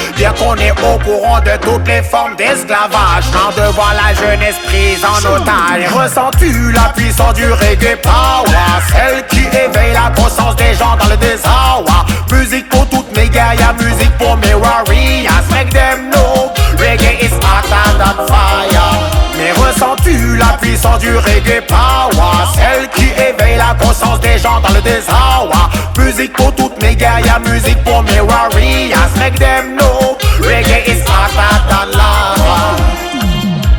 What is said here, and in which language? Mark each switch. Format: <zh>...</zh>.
<fr>Bien qu'on est au courant de toutes les formes d'esclavage. Tant de voir la jeunesse prise en otage. Ressens-tu la puissance du reggae power? Celle qui éveille la conscience des gens dans le désarroi. Musique pour toutes mes guerrières, musique pour mes warriors.</fr> <en>Make them know, reggae is hotter than fire.</en> <fr>Mais ressens-tu la puissance du reggae power? Celle qui éveille la conscience des gens dans le désarroi. Musique pour toutes mes guerrières, musique pour mes warriors.</fr> <en>Make them know, reggae is hotter than lava.</en>